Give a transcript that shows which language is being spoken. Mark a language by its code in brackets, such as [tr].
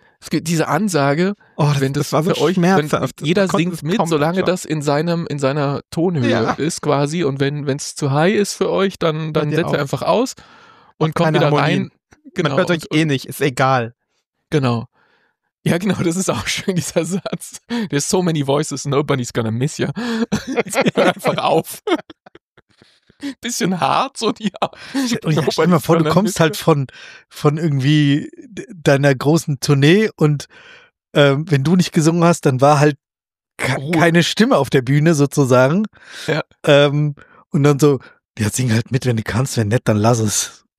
[de] Es gibt diese Ansage, wenn das war so für euch, wenn jeder singt mit, solange das in seiner Tonhöhe ist quasi und wenn es zu high ist für euch, dann setzt ihr einfach aus und kommt wieder rein. Genau. Man hört euch nicht, ist egal. Genau. Ja, genau, das ist auch schön, dieser Satz. [en] There's so many voices, nobody's gonna miss ya. [de] Jetzt einfach auf. Bisschen hart, so die Art. Stell dir mal vor, du kommst halt von irgendwie deiner großen Tournee und wenn du nicht gesungen hast, dann war halt keine Stimme auf der Bühne sozusagen. Ja. Und dann so, ja, sing halt mit, wenn du kannst, wenn nicht, dann lass es.